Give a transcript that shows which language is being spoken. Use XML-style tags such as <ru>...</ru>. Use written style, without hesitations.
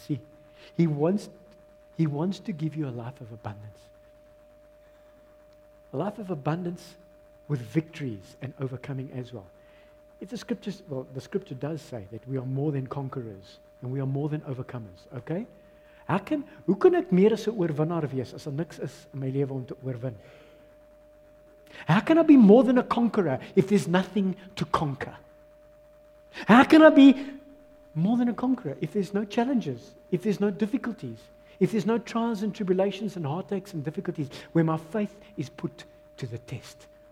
<en>See, He wants to give you a life of abundance. A life of abundance with victories and overcoming as well. If the scriptures, well, the scripture does say that we are more than conquerors and we are more than overcomers, okay?</en> <af>Hoe kan ek meer as 'n oorwinnaar wees as daar niks is in my lewe om te oorwin?</af> <en>How can I be more than a conqueror if there's nothing to conquer? How can I be more than a conqueror if there's no challenges, if there's no difficulties, if there's no trials and tribulations and heartaches and difficulties where my faith is put to the test?</en>